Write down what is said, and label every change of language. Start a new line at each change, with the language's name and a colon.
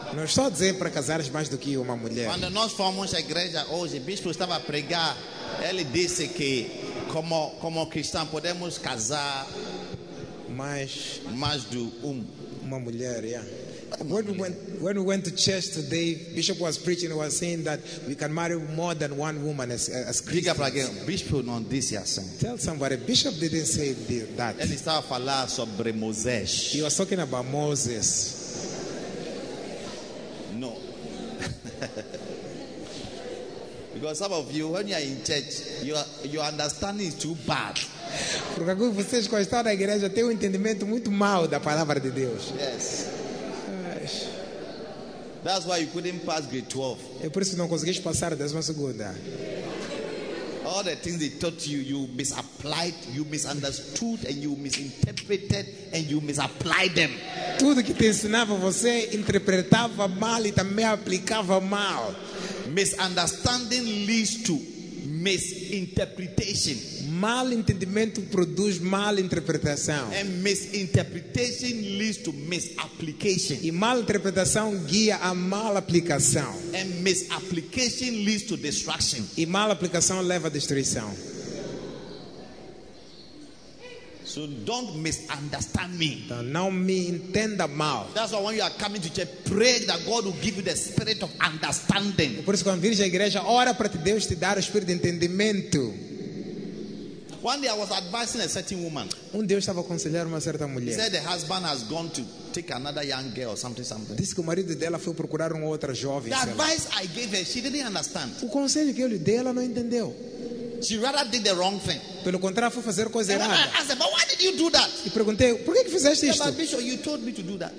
Portuguese: Não estou a dizer para casares mais do que uma mulher. Quando nós formos a igreja hoje, o bispo estava a pregar, ele disse que como cristão podemos casar mais do uma mulher, yeah.
English: When we went to church today, Bishop was preaching, was saying that we can marry more than one woman as Christians.
Portuguese: Diga again, Bishop non disse assim.
English: Tell somebody, Bishop didn't say that.
Portuguese: Ele estava a falar sobre Moisés.
English: He was talking about Moses. No. Because some of you, when you are in church, your understanding is too bad.
Portuguese: Porque alguns de vocês quando estão na igreja têm entendimento muito mau da palavra de Deus.
English: Yes. That's why you couldn't pass grade 12.
Portuguese: É por isso que não conseguiste passar a 12ª.
English: All the things they taught you, you misapplied, you misunderstood, and you misinterpreted, and you misapplied them.
Portuguese: Tudo que te ensinava você interpretava mal e também aplicava mal.
English: Misunderstanding leads to misinterpretation.
Portuguese: mal entendimento produz mal interpretação.
English: And misinterpretation leads to misapplication.
Portuguese: E mal interpretação guia a mal aplicação.
English: And misapplication leads to destruction.
Portuguese: E mal aplicação leva à destruição.
English: So don't misunderstand me.
Portuguese: Não me entenda mal.
English: That's why when you are coming to church, pray that God will give you the spirit of understanding.
Portuguese: Por isso quando vires à igreja, ora para que Deus te dar o espírito de entendimento.
English: One day I was advising a certain woman.
Portuguese: Dia eu estava aconselhando uma certa mulher.
English: He said the husband has gone to take another young girl or something.
Portuguese: Disse que o marido dela foi procurar uma outra jovem.
English: The advice I gave her, she didn't understand.
Portuguese: O conselho que eu lhe dei, ela não entendeu.
English: She rather did the wrong thing.
Portuguese: Pelo contrário, foi fazer coisa errada.
English: And I asked her, but why did you do that?
Portuguese: E perguntei, por que fizeste isto?
English: Yeah, but Bishop, you told me to do that.